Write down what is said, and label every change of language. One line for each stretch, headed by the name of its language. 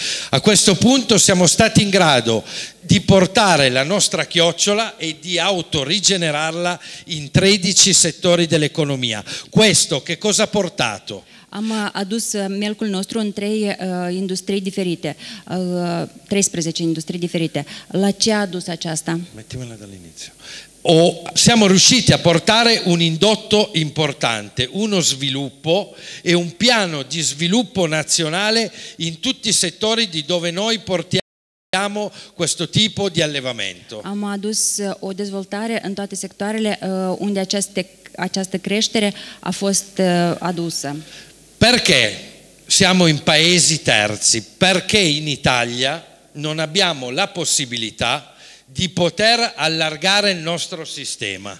Italian: A questo punto siamo stati in grado di portare la nostra chiocciola e di autorigenerarla in 13 settori dell'economia. Questo che cosa ha portato?
Romanian: Am adus melcul nostru în trei industrii diferite, 13 industrii diferite. La ce a adus aceasta?
Italian: Mettimela dall'inizio. O siamo riusciti a portare un indotto importante, uno sviluppo e un piano di sviluppo nazionale in tutti i settori di dove noi portiamo questo tipo di allevamento.
Romanian: Am adus o dezvoltare în toate sectoarele unde această creștere a fost adusă.
Italian: Perché siamo in paesi terzi? Perché in Italia non abbiamo la possibilità di poter allargare il nostro sistema.